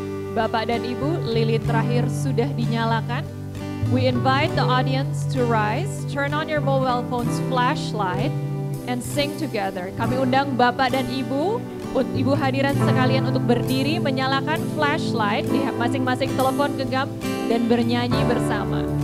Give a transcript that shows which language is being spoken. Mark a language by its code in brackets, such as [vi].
[id] Bapak dan Ibu, lilin terakhir sudah dinyalakan. [en] We invite the audience to rise, turn on your mobile phone's flashlight, and sing together. [id] Kami undang Bapak dan Ibu, Ibu hadirin sekalian untuk berdiri, menyalakan flashlight di masing-masing telepon genggam, dan bernyanyi bersama.